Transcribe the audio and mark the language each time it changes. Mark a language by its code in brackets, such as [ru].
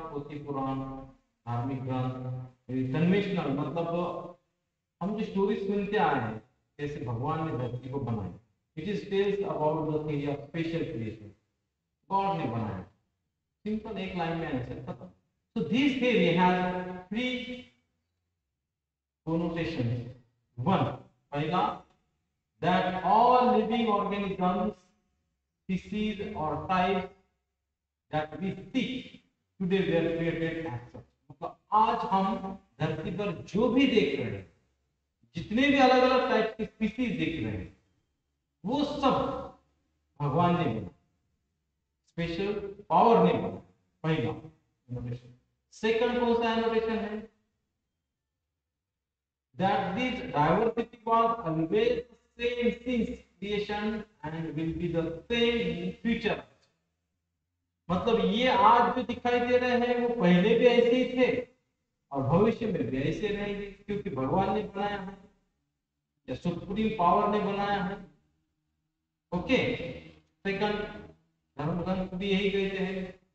[hi] पोथी पुराण धार्मिक ग्रंथ कन्वेंशनल मतलब हम जो स्टोरी सुनते आए हैं जैसे भगवान ने धरती को बनाया [en] it is tells about the thing of special creation [hi] God ने बनाया सिंपल एक लाइन में आंसर खत्म. [en] So this theory has three connotation. One पहला that all living organisms, species or types that we see today were created as such. [hi] मतलब आज हम धरती पर जो भी देख रहे हैं जितने भी अलग अलग टाइप के स्पीसीज देख रहे हैं वो सब भगवान ने बना स्पेशल पावर ने बना. पहला इनोवेशन. सेकंड कौन सा इनोवेशन है [en] that this diversity was always same since creation and will be the same in future. [hi] मतलब ये आज जो दिखाई दे रहे हैं वो पहले भी ऐसे ही थे और भविष्य में भी ऐसे रहेंगे क्योंकि भगवान ने बनाया है या सुप्रीम पावर ने बनाया है. ओके सेकंड धर्म ग्रंथ भी यही कहते हैं.